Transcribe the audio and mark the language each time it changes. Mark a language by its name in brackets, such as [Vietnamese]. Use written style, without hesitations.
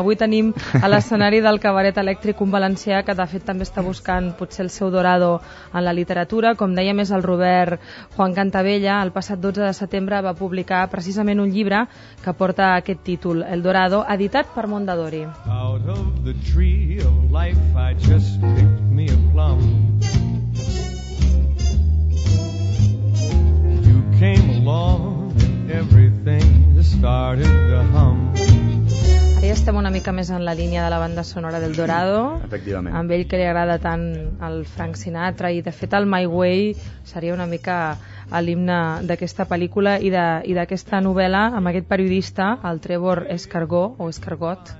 [Catalan] Avui tenim a l'escenari del Cabaret Elèctric un valencià que de fet també està buscant potser el seu Dorado en la literatura. Com deia més el Robert Juan Cantavella, el passat 12 de setembre va publicar precisament un llibre que porta aquest títol, El Dorado, editat per Mondadori. [English] Out of the tree of life I just picked me a plum. You came along and everything started to hum. [Catalan] Ara ja estem una mica més en la línia de la banda sonora del Dorado. Efectivament. Amb ell que li agrada tant el Frank Sinatra i de fet el My Way seria una mica l'himne d'aquesta pel·lícula i d'aquesta novel·la amb aquest periodista, el Trevor Escargot o Escargot.